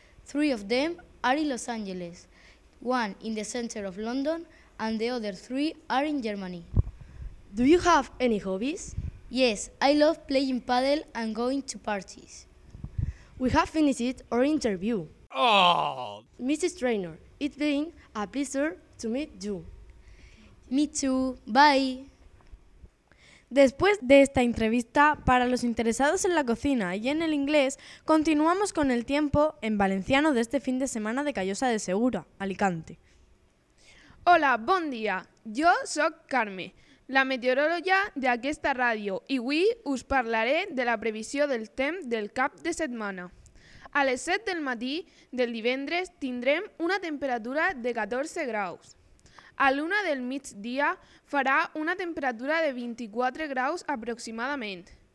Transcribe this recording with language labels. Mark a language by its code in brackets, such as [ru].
[en] 3 of them are in Los Angeles, 1 in the center of London, and the other 3 are in Germany. Do you have any hobbies? Yes, I love playing paddle and going to parties. We have finished our interview. Oh, Mrs. Traynor, it's been a pleasure to meet you. Me too. Bye. [es] Después de esta entrevista, para los interesados en la cocina y en el inglés, continuamos con el tiempo en valenciano de este fin de semana de Callosa de Segura, Alicante. [ca] Hola, bon dia. Jo soc Carme, la meteoròloga d'aquesta ràdio, i avui us parlaré de la previsió del temps del cap de setmana. A les 7 del matí del divendres tindrem una temperatura de 14 graus. A l'una del migdia farà una temperatura de 24 graus aproximadament.